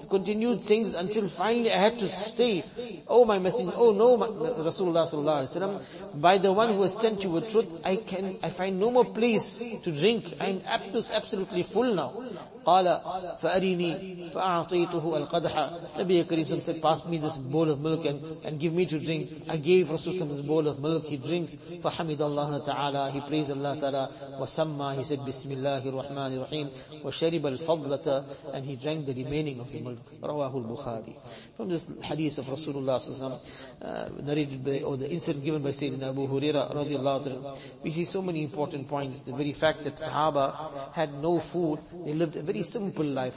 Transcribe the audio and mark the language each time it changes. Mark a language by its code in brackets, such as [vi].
[en] He continued saying this until finally I had to say, oh my messenger, oh no, Rasulullah sallallahu alaihi wasallam, by the one who has sent you with truth, I find no more place to drink. I am absolutely full now. [ar] قَالَ فَأَرِنِي فَأَعْطَيْتُهُ الْقَدْحَ. [en] Nabi Kareem said, pass me this bowl of milk and give me to drink. I gave Rasulullah this bowl of milk. He drinks. فَحَمِدَ اللَّهَ تَعَالَى. He praised Allah ta'ala. وَسَمَّى. [ar] He said, بِسْمِ اللَّهِ الرَّحْمَنِ الرَّحِيمِ. وَشَرِبَ الْفَضْلَةَ. [en] And he drank the remaining of the milk. [ar] رواه البخاري. [en] From this hadith of Rasulullah narrated by, or the incident given by Sayyidina Abu Huraira radiallahu ta'ala, we see so many important points. The very fact that Sahaba had no food, they lived a very simple life.